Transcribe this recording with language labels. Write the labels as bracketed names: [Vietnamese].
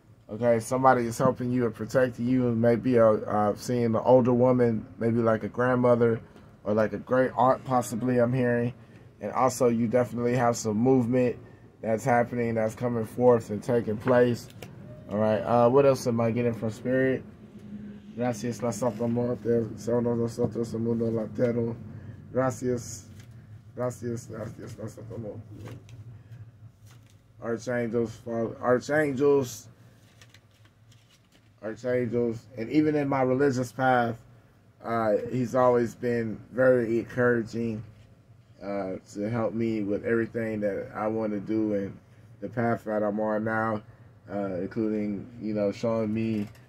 [English] Okay, somebody is helping you and protecting you. Maybe seeing an older woman, maybe like a grandmother or like a great aunt possibly, I'm hearing. And also, you definitely have some movement that's happening, that's coming forth and taking place. All right, what else am I getting from Spirit? [Spanish] Gracias, la Santa Muerte, son de nosotros, el mundo latero. Gracias, gracias, gracias, la Santa Muerte. [English] Archangels, Father, Archangels, and even in my religious path, he's always been very encouraging to help me with everything that I want to do and the path that I'm on now, including, you know, showing me